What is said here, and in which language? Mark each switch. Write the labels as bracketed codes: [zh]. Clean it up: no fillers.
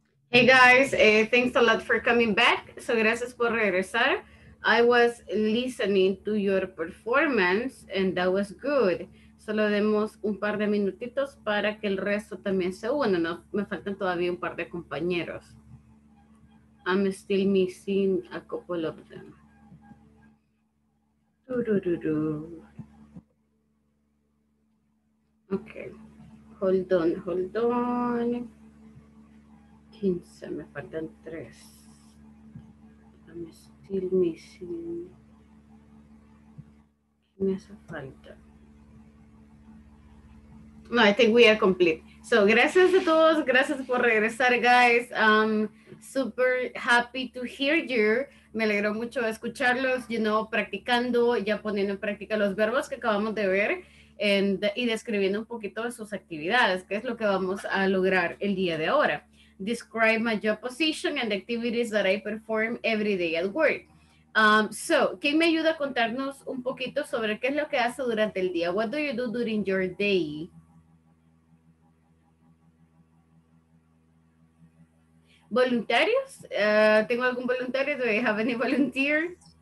[en] Hey guys, thanks a lot for coming back. So [es] gracias por regresar. [en] I was listening to your performance and that was good. [es] Solo demos un par de minutitos para que el resto también se una, ¿no? Me faltan todavía un par de compañeros. [en] I'm still missing a couple of them. Du-du-du-du. Okay. Hold on, hold on. [es] 15, me faltan 3. [en] I'm still missing. [es] ¿Qué me hace falta? [en] No, I think we are complete. So, [es] gracias a todos. Gracias por regresar, [en] guys. Super happy to hear you. [es] Me alegro mucho escucharlos, you know, practicando, ya poniendo en práctica los verbos que acabamos de ver and, y describiendo un poquito de sus actividades, que es lo que vamos a lograr el día de ahora. [en] Describe my job position and the activities that I perform every day at work. [es] So, ¿quién me ayuda a contarnos un poquito sobre qué es lo que hace durante el día? [en] What do you do during your day? [es] ¿Voluntarios? ¿Tengo algún voluntario? [en] ¿Do you have any volunteer?